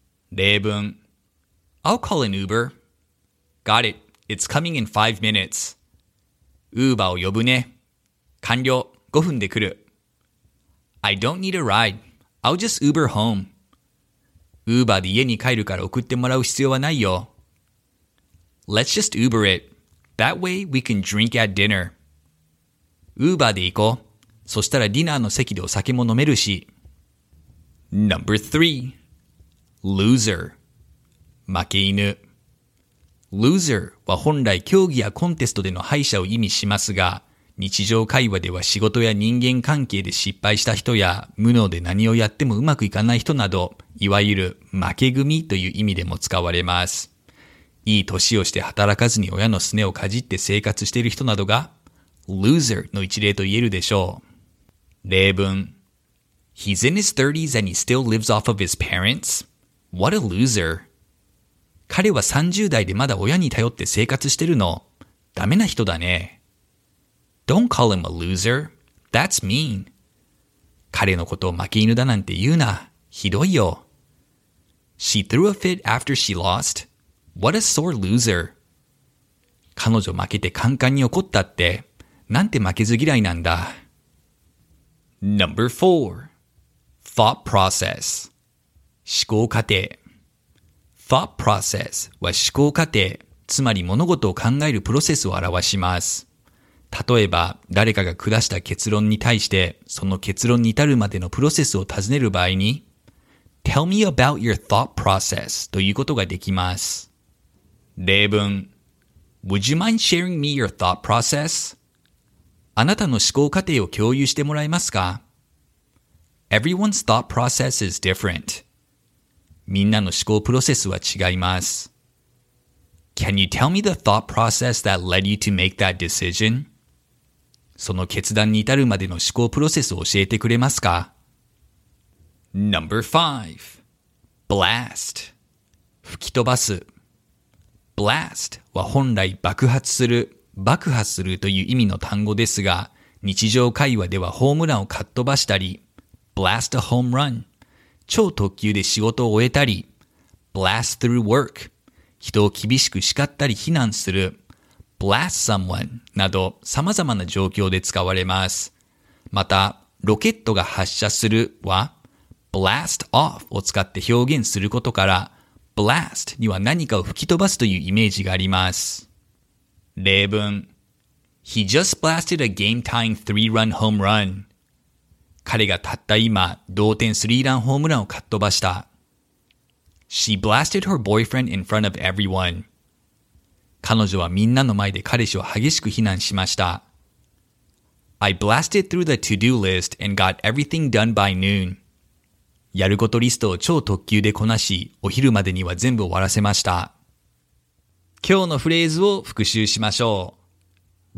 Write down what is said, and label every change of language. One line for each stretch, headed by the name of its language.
Japanese: 例文。
English: I'll call an Uber. Got it. It's coming in 5 minutes.
Japanese: Uber を呼ぶね。完了。5分で来る。
English: I don't need a ride. I'll just Uber home.
Japanese: Uber で家に帰るから送ってもらう必要はないよ。
English: Let's just Uber it. That way we can drink at dinner.
Japanese: Uber で行こう。そしたらディナーの席でお酒も飲めるし。
English: Number three. Loser.
Japanese: 負け犬。 Loser は本来競技やコンテストでの敗者を意味しますが、日常会話では仕事や人間関係で失敗した人や無能で何をやってもうまくいかない人など、いわゆる負け組という意味でも使われます。いい年をして働かずに親のすねをかじって生活している人などが、Loser の一例と言えるでしょう。例文。
English: He's in his 30s and he still lives off of his parents. What a loser.
Japanese: 彼は30代でまだ親に頼って生活してるの。ダメな人だね。
English: Don't call him a loser. That's mean.
Japanese: 彼のことを負け犬だなんて言うな。ひどいよ。
English: She threw a fit after she lost. What a sore loser.
Japanese: 彼女負けてカンカンに怒ったって、なんて負けず嫌いなんだ。
English: Number four, thought process.
Japanese: 思考過程。 Thought process は思考過程、つまり物事を考えるプロセスを表します。例えば、誰かが下した結論に対して、その結論に至るまでのプロセスを尋ねる場合に、
English: Tell me about your thought process
Japanese: ということができます。例文、 Would you mind sharing me your thought process? あなたの思考過程を共有してもらえますか?
English: Everyone's thought process is different.
Japanese: みんなの思考プロセスは違います。
English: Can you tell me the thought process that led you to make that decision?
Japanese: その決断に至るまでの思考プロセスを教えてくれますか?
English: Number 5. Blast.
Japanese: 吹き飛ばす。 Blast は本来爆発する、爆破するという意味の単語ですが、日常会話ではホームランをかっ飛ばしたり、
English: Blast a home run、
Japanese: 超特急で仕事を終えたり、
English: Blast through work、
Japanese: 人を厳しく叱ったり非難する、
English: Blast someone
Japanese: など様々な状況で使われます。また、ロケットが発射するは、Blast off を使って表現することから、Blast には何かを吹き飛ばすというイメージがあります。例文
English: He just blasted a game-tying three-run home run.
Japanese: 彼がたった今、同点スリーランホームランをかっ飛ばした。
English: She blasted her boyfriend in front of everyone.
Japanese: 彼女はみんなの前で彼氏を激しく非難しました。
English: I blasted through the to-do list and got everything done by noon.
Japanese: やることリストを超特急でこなし、お昼までには全部終わらせました。今日のフレーズを復習しましょう。